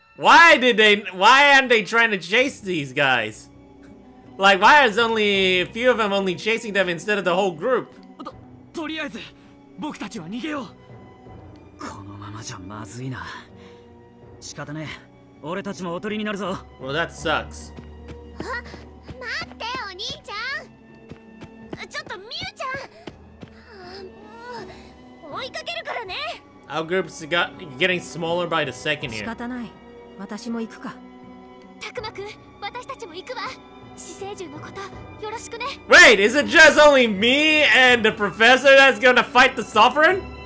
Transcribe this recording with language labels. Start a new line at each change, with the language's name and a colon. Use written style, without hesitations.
English: Why aren't they trying to chase these guys? Like, why is only a few of them only chasing them instead of the whole group?
Japanese: とりあえず僕たちは逃げよう。このままじゃまずいな。仕方ねえ、俺たちもおとりになるぞ。
English: Well, that sucks.
Japanese: あ、待ってお兄ちゃん。ちょっとミュウちゃん、もう追いかけるからね。
English: Our group's got getting smaller by the second here.
Japanese: 仕方ない、私も行くか。たくまくん、私たちも行くわ。死生獣のことよろしくね。
English: Wait, is it just only me and the professor that's gonna fight the sovereign?